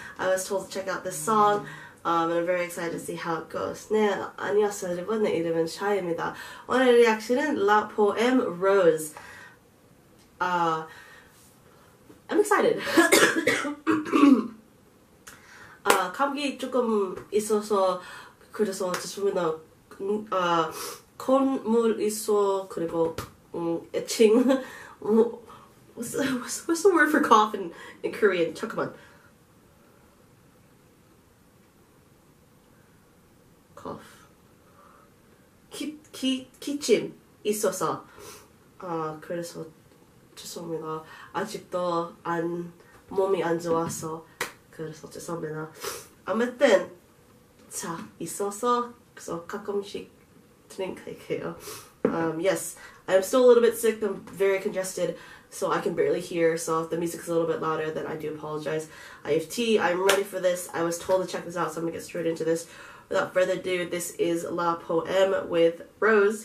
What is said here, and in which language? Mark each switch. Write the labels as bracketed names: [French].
[English] I was told to check out this song, and I'm very excited to see how it goes. [Korean] 네, 안녕하세요 여러분, 내 이름은 샤이입니다. 오늘 리액션은 La Paul M, Rose. [English] I'm excited. [Korean] 감기 조금 있어서, 그래서 죄송합니다. 콧물 있어, 그리고 애칭. [English] What's the word for cough in Korean? [Korean] 잠깐만. Cough. 기침 있어서. 그래서 죄송합니다. 아직도 몸이 안 좋아서 그래서 죄송합니다. 아무튼 자 있어서 그래서 가끔씩 드링크해요. [English] Yes, I'm still a little bit sick. I'm very congested. So I can barely hear, so if the music is a little bit louder, then I do apologize. I have tea, I'm ready for this. I was told to check this out, so I'm gonna get straight into this. Without further ado, this is La Poem with Rose.